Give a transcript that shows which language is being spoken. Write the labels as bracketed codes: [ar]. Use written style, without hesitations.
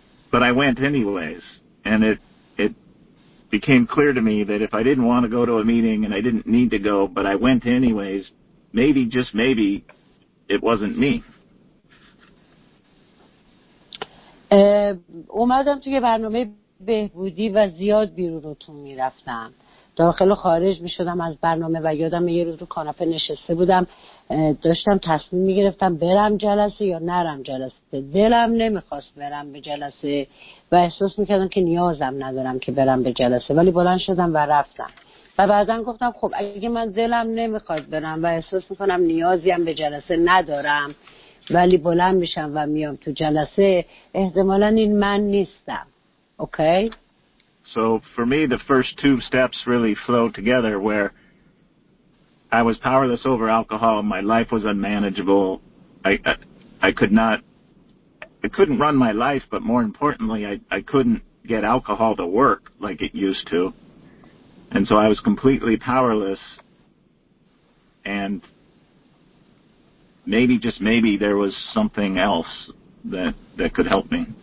[en] but I went anyways, and it became clear to me that if I didn't want to go to a meeting and I didn't need to go, but I went anyways, maybe, just maybe, it wasn't me. [fa] اومدم توی برنامه بهبودی و زیاد بیرونتون میرفتم، داخل و خارج میشدم از برنامه، و یادم یه روز رو کاناپه نشسته بودم داشتم تصمیم میگرفتم برم جلسه یا نرم جلسه. دلم نمیخواست برم به جلسه و احساس میکردم که نیازم ندارم که برم به جلسه، ولی بلند شدم و رفتم. و بعدا گفتم خب اگه من دلم نمیخواد برم و احساس میکنم نیازیم به جلسه ندارم، ولی بلند میشم و میام تو جلسه، احتمالا این من نیستم. اوکی. [en] So for me, the first two steps really flow together, where I was powerless over alcohol, my life was unmanageable, I couldn't run my life, but more importantly, I couldn't get alcohol to work like it used to, and so I was completely powerless, and maybe, just maybe, there was something else that could help me.